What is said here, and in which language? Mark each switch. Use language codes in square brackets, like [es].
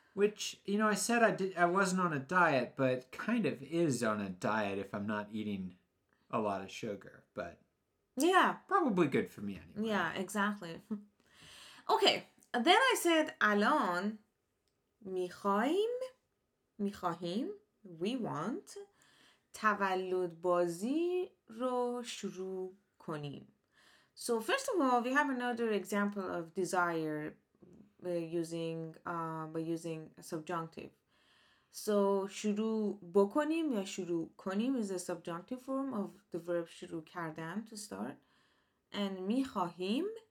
[en] Which, you know, I said I wasn't on a diet, but kind of is on a diet if I'm not eating a lot of sugar. But yeah, probably good for me anyway. Yeah, exactly. Okay. Then I said, [fa] الان میخواییم. میخواهیم, [en] we want, [fa] تولد بازی رو شروع کنیم. [en] So first of all, we have another example of desire by using a subjunctive. So [fa] شروع بکنیم یا شروع کنیم [en] is a subjunctive form of the verb شروع کردن, to start. And میخواهیم